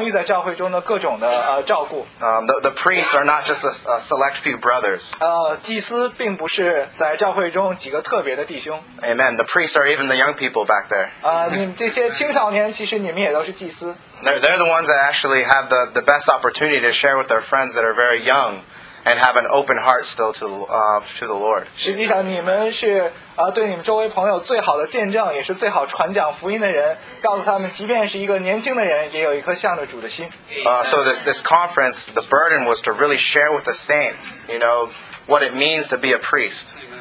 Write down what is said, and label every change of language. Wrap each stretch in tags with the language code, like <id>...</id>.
<zh>如果我们已经被完全恢复到祭司的国度和祭司的职分里面的话，我们现在应该忙于传福音，忙于牧养，忙于在教会中的各种的照顾。</zh> <en>The priests are not just a select few brothers.</en> <zh>祭司并不是在教会中几个特别的弟兄。</zh> <en>Amen. The priests are even the young people back there.</en> <zh>你们这些青少年，其实你们也都是祭司。</zh> <en>They're the ones that actually have the best opportunity to share with their friends that are very young and have an open heart still to the Lord.</en> <zh>实际上你们是对你们周围朋友最好的见证，也是最好传讲福音的人，告诉他们，即便是一个年轻的人，也有一颗向着主的心。</zh> <en>So this conference, the burden was to really share with the saints, you know, what it means to be a priest.</en>